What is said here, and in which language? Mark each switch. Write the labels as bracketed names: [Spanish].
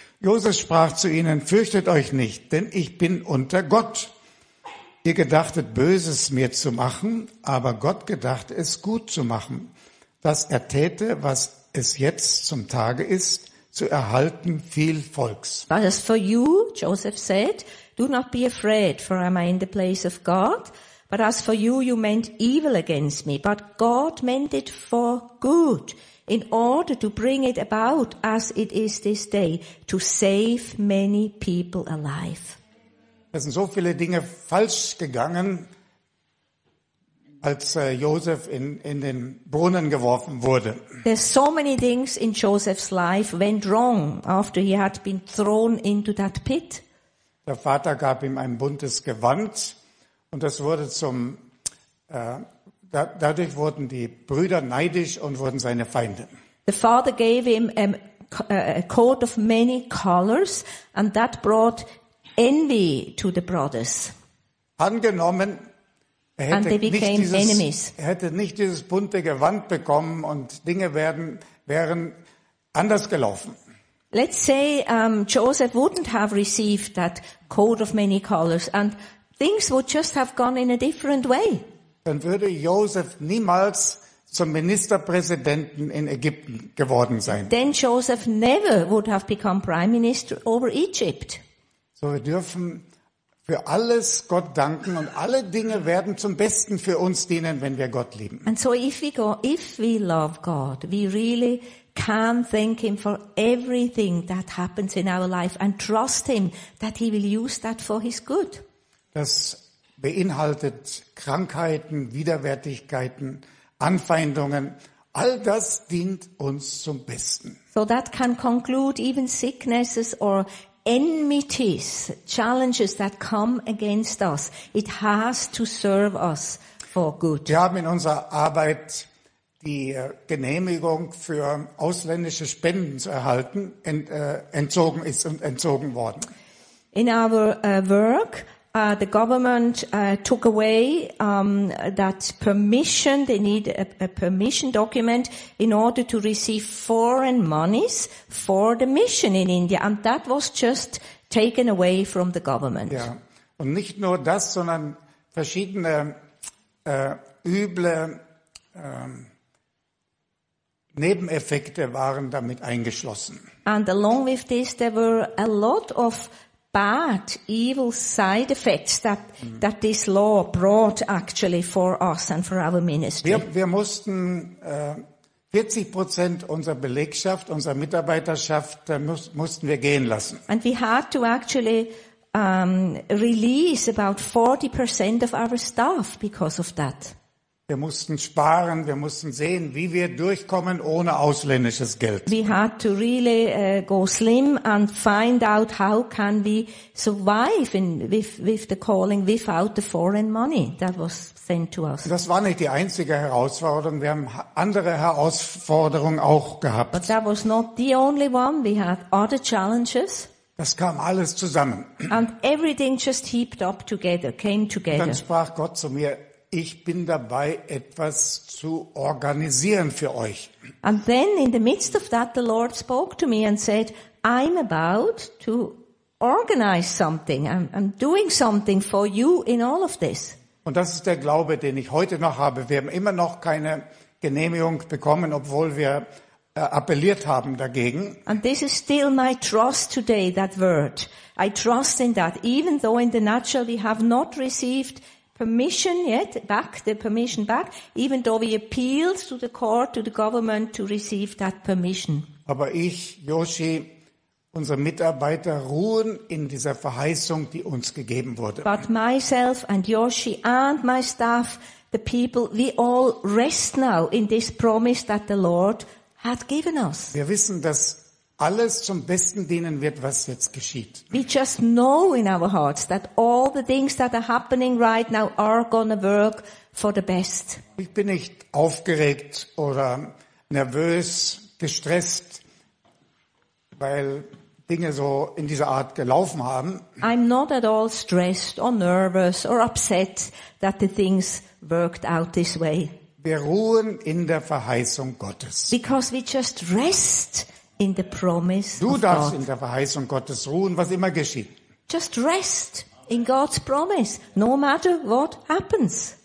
[German] Josef sprach zu ihnen, fürchtet euch nicht, denn ich bin unter Gott. Ihr gedachtet Böses mir zu machen, aber Gott gedacht es gut zu machen, dass er täte, was es jetzt zum Tage ist, zu erhalten viel Volks. [English] But as for you, Joseph said, do not be afraid, for am I in the place of God? But as for you, you meant evil against me, but God meant it for good, in order to bring it about as it is this day, to save many people alive. [German] Es sind so viele Dinge falsch gegangen, als Josef in den Brunnen geworfen wurde. [English] There's so many things in Joseph's life went wrong after he had been thrown into that pit. [German] Der Vater gab ihm ein buntes Gewand und das wurde zum dadurch wurden die Brüder neidisch und wurden seine Feinde. [English] The father gave him a coat of many colors and that brought envy to the brothers. [German] Angenommen, er hätte nicht dieses bunte Gewand bekommen und Dinge wären anders gelaufen. [English] Let's say Joseph wouldn't have received that coat of many colors and things would just have gone in a different way. [German] Dann würde Joseph niemals zum Ministerpräsidenten in Ägypten geworden sein. [English] Then Joseph never would have become prime minister over Egypt. [German] So, wir dürfen für alles Gott danken und alle Dinge werden zum Besten für uns dienen, wenn wir Gott lieben. [English] And so if we love God, we really can thank him for everything that happens in our life and trust him that he will use that for his good. [German] Das beinhaltet Krankheiten, Widerwärtigkeiten, Anfeindungen. All das dient uns zum Besten. [English] So that can conclude even sicknesses or enmities, challenges that come against us, it has to serve us for good. [German] Wir haben in unserer Arbeit die Genehmigung für ausländische Spenden zu erhalten, entzogen worden. [English] In our work, the government took away that permission, they need a permission document in order to receive foreign monies for the mission in India. And that was just taken away from the government. [German] Ja. Und nicht nur das, sondern verschiedene üble Nebeneffekte waren damit eingeschlossen. [English] And along with this, there were a lot of bad, evil side effects that this law brought actually for us and for our ministry. [German] Wir mussten 40% unserer Belegschaft, unserer Mitarbeiterschaft, mussten wir gehen lassen. [English] And we had to actually release about 40% of our staff because of that. [German] Wir mussten sparen, wir mussten sehen, wie wir durchkommen ohne ausländisches Geld. [English] We had to really go slim and find out how can we survive in, with the calling without the foreign money that was sent to us. [German] Das war nicht die einzige Herausforderung, wir haben andere Herausforderungen auch gehabt. [English] But that was not the only one, we had other challenges. [German] Das kam alles zusammen. [English] And everything just heaped up together, came together. [German] Dann sprach Gott zu mir, ich bin dabei, etwas zu organisieren für euch. [English] And then in the midst of that, the Lord spoke to me and said, I'm about to organize something. I'm doing something for you in all of this. [German] Und das ist der Glaube, den ich heute noch habe. Wir haben immer noch keine Genehmigung bekommen, obwohl wir appelliert haben dagegen. [English] And this is still my trust today, that word. I trust in that, even though in the natural we have not received permission yet, back, the permission back, even though we appealed to the court, to the government to receive that permission. [German] Aber ich, Yoshi, unsere Mitarbeiter ruhen in dieser Verheißung, die uns gegeben wurde. [English] But myself and Yoshi and my staff, the people, we all rest now in this promise that the Lord had given us. [German] Wir wissen, dass alles zum Besten dienen wird, was jetzt geschieht. [English] We just know in our hearts that all the things that are happening right now are gonna work for the best. [German] Ich bin nicht aufgeregt oder nervös, gestresst, weil Dinge so in dieser Art gelaufen haben. [English] I'm not at all stressed or nervous or upset that the things worked out this way. [German] Wir ruhen in der Verheißung Gottes. [English] Because we just rest in the promise [German] du darfst [English] of God. [German] In der Verheißung Gottes ruhen, was immer geschieht. [English] Just rest in God's promise, no matter what happens.